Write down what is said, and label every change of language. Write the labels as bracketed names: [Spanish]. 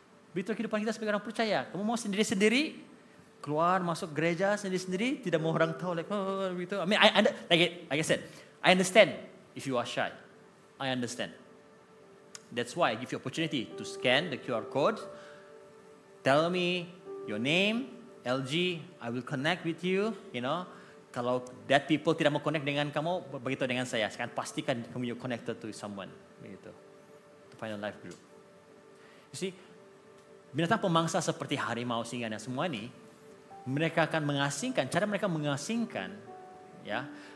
[Malay] Begitu kehidupan kita sebagai orang percaya, kamu mau sendiri-sendiri, keluar masuk gereja sendiri-sendiri, tidak mau orang tahu, like, begitu. [English] I mean, like I said, I understand if you are shy, I understand. That's why I give you opportunity to scan the QR code, tell me your name, LG, I will connect with you, you know. [Malay] Kalau that people tidak mau connect dengan kamu, begitu dengan saya. Sekarang pastikan kamu you connected to someone, begitu. [English] To find a life group. [Malay] You see, binatang pemangsa seperti harimau, singa dan semua ini, mereka akan mengasingkan, cara mereka mengasingkan, ya.